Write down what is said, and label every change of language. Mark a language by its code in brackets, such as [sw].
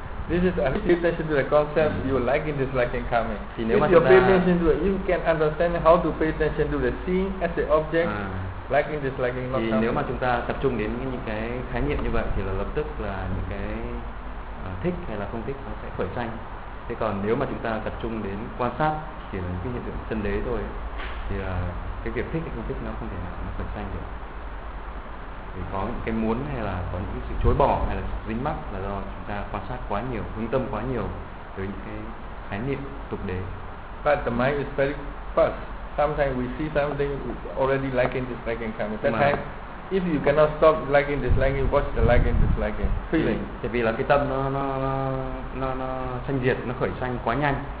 [en] This is a pay attention to the concept. You liking, disliking, coming. If you pay attention to it, you can understand how to pay attention to the seeing as the object, liking, disliking, not coming. [vi] Thì nếu mà chúng ta tập trung đến những cái khái niệm như vậy thì là lập tức là những cái thích hay là không thích nó sẽ khởi sanh. Thế còn nếu mà chúng ta tập trung đến quan sát chỉ là cái hiện tượng chân đế thôi thì là cái việc thích hay không thích nó không thể nào nó khởi sanh được. Thì có những cái muốn hay là có những sự chối bỏ hay là dính mắc là do chúng ta quan sát quá nhiều, hướng tâm quá nhiều tới những cái khái niệm tục đế. [en] But the mind is very fast. Sometimes we see something already liking, disliking coming. Sometimes if you cannot stop liking, disliking, watch the liking, disliking feeling. [vi] Tại vì là cái tâm nó sanh diệt, nó khởi sanh quá nhanh.